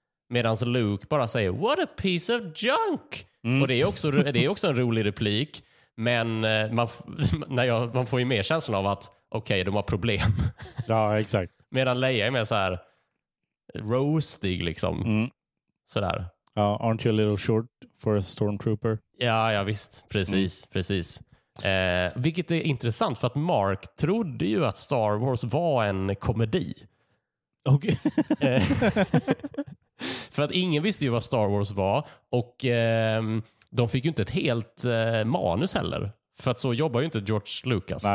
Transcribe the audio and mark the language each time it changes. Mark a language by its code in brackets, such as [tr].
[sv] Medan Luke bara säger [en] what a piece of junk. [sv] Mm. Och det är också en rolig replik, men man får ju mer känslan av att okej, de har problem. Ja, exakt. Medan Leia är mer så här roastig liksom. Mm. Så där. [en] Aren't you a little short for a stormtrooper? [sv] Ja, visst, precis, precis. Vilket är intressant, för att Mark trodde ju att Star Wars var en komedi. [en] Okay. [sv] För att ingen visste ju vad Star Wars var, och de fick ju inte ett helt manus heller, för att så jobbar ju inte George Lucas.